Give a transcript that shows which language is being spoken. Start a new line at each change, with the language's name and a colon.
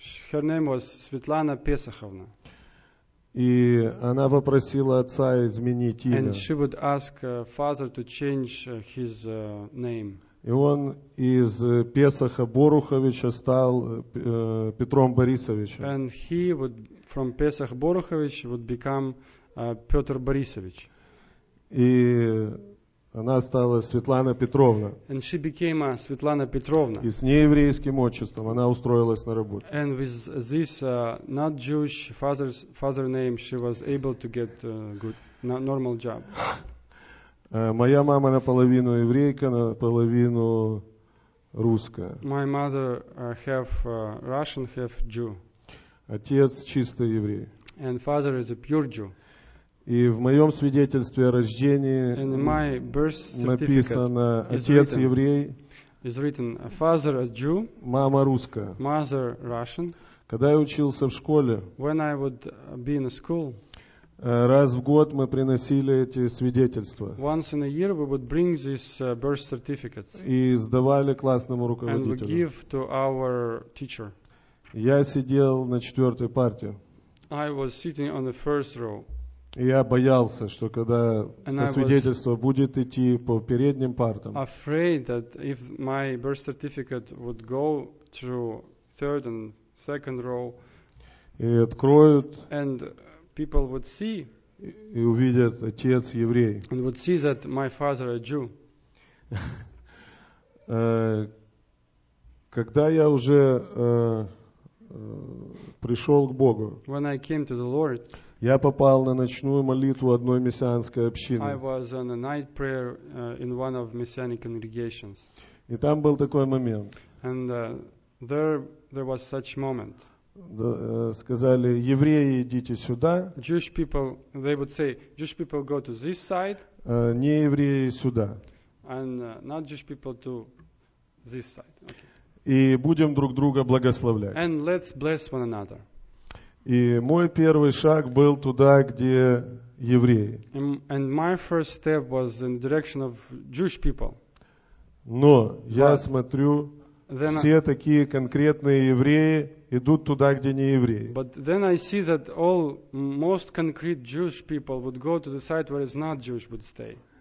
English: Her name was Svetlana Pesakhovna.
Russian: И она попросила отца изменить имя.
English: And she would ask father to change his name.
Russian: И он из Песаха Боруховича стал Петром Борисовичем.
English: And he would from Pesach Boruchovich would become Петр Борисович.
Russian: И она стала Светлана Петровна.
English: And she became a Svetlana Petrovna.
Russian: И с нееврейским отчеством она устроилась на работу.
English: And with this not Jewish father name, she was able to get good normal job.
Russian: Моя мама наполовину еврейка, наполовину русская.
English: My mother half Russian, half Jew.
Russian: Отец чистый еврей.
English: And father is a pure Jew.
Russian: И в моем свидетельстве о рождении написано «Отец еврей»,
English: is written, a father, a Jew,
Russian: «Мама русская».
English: Mother, Russian.
Russian: Когда я учился в школе,
English: when I would be in a school,
Russian: раз в год мы приносили эти свидетельства.
English: Once in a year we would bring these birth certificates,
Russian: и сдавали классному руководителю.
English: And we give to our teacher.
Russian: Я сидел на четвертой парте.
English: I was sitting on the first row.
Russian: И я боялся, что когда это свидетельство будет идти по передним партам,
English: afraid that if my birth certificate would go through third and second row,
Russian: и откроют,
English: and people would see,
Russian: и увидят отец еврей,
English: and would see that my father a Jew.
Russian: Когда я уже пришел к Богу,
English: when I came to the Lord,
Russian: я попал на ночную молитву одной мессианской общины.
English: I was on a night prayer in one of messianic congregations.
Russian: И там был такой момент.
English: And there was such moment.
Russian: Сказали, евреи, идите сюда.
English: Jewish people, they would say, Jewish people go to this side.
Russian: Не евреи сюда.
English: And not Jewish people to this side. Okay.
Russian: И будем друг друга благословлять.
English: And let's bless one another.
Russian: И мой первый шаг был туда, где евреи.
English: And my first step was in the direction of Jewish people.
Russian: Но я смотрю, все такие конкретные евреи идут туда, где не евреи.
English: But then I see that all most concrete Jewish people would go to the site where it's not Jewish would stay.